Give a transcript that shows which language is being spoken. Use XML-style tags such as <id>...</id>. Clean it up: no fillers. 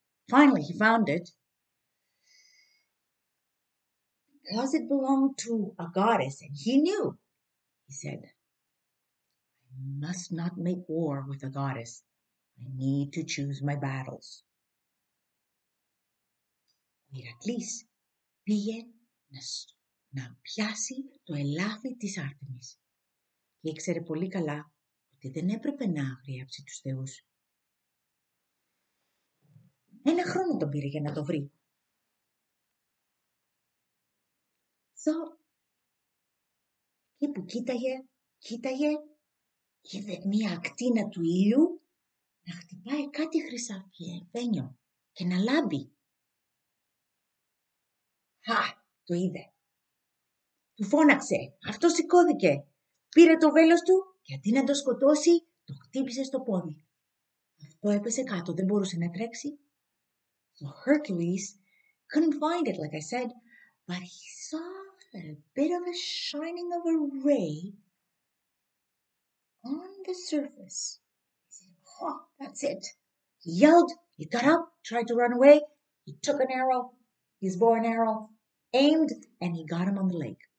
<en>Finally, he found it. Because it belonged to a goddess, and he knew, he said, I must not make war with a goddess. I need to choose my battles.</en> <el>Heracles, πήγε να να πιάσει το ελάφι της Άρτεμις. Και ήξερε πολύ καλά ότι δεν έπρεπε να αγριέψει τους θεούς. Ένα χρόνο τον πήρε για να το βρει. Εκεί που κοίταγε, είδε μία ακτίνα του ήλιου να χτυπάει κάτι χρυσαφένιο και να λάμπει. Χα, το είδε. Του φώναξε, αυτό σηκώθηκε. Πήρε το βέλος του και αντί να το σκοτώσει, το χτύπησε στο πόδι. Αυτό έπεσε κάτω, δεν μπορούσε να τρέξει.</el> <en>Ο Hercules couldn't find it, like I said, but he saw a bit of a shining of a ray on the surface. He said, oh, that's it. He yelled, he got up, tried to run away, he took an arrow, his bow and arrow, aimed, and he got him on the leg.</en>